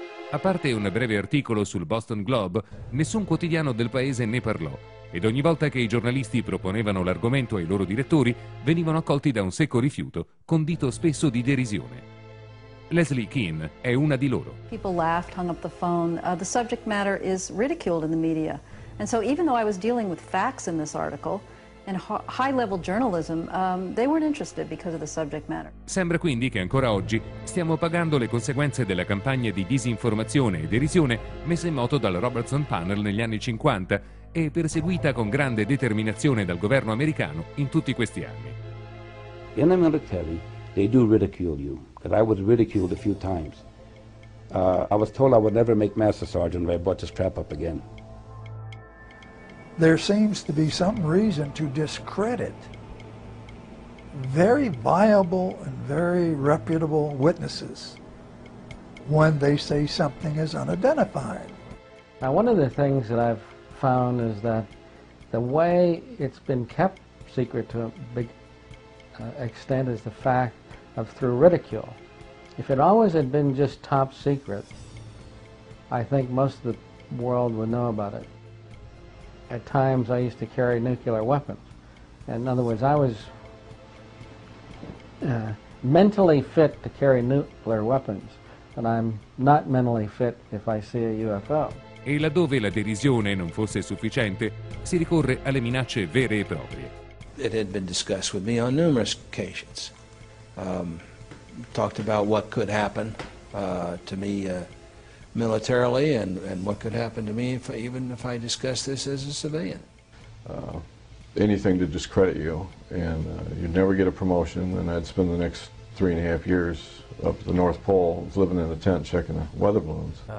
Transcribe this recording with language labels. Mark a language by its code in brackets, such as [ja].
[it] A parte un breve articolo sul Boston Globe, nessun quotidiano del paese ne parlò, ed ogni volta che i giornalisti proponevano l'argomento ai loro direttori, venivano accolti da un secco rifiuto, condito spesso di derisione. Leslie Keen è una di loro. [en] People laughed, hung up the phone. The subject matter is ridiculed in the media. And so even though I was dealing with facts in this article and high-level journalism, they weren't interested because of the subject matter. [it] Sembra quindi che ancora oggi stiamo pagando le conseguenze della campagna di disinformazione e derisione messa in moto dal Robertson Panel negli anni 50 e perseguita con grande determinazione dal governo americano in tutti questi anni. [en] In the military, they do ridicule you, because I was ridiculed a few times. I was told I would never make master sergeant if I brought this crap up again. There seems to be some reason to discredit very viable and very reputable witnesses when they say something is unidentified. Now, one of the things that I've found is that the way it's been kept secret to a big extent is the fact of through ridicule. If it always had been just top secret, I think most of the world would know about it. At times I used to carry nuclear weapons. And in other words, I was mentally fit to carry nuclear weapons, but I'm not mentally fit if I see a UFO. [it] E laddove la derisione non fosse sufficiente, si ricorre alle minacce vere e proprie. [en] It had been discussed with me on numerous occasions. Talked about what could happen to me militarily and what could happen to me if I discussed this as a civilian. Anything to discredit you, and you'd never get a promotion, and I'd spend the next 3.5 years up the North Pole living in a tent checking the weather balloons.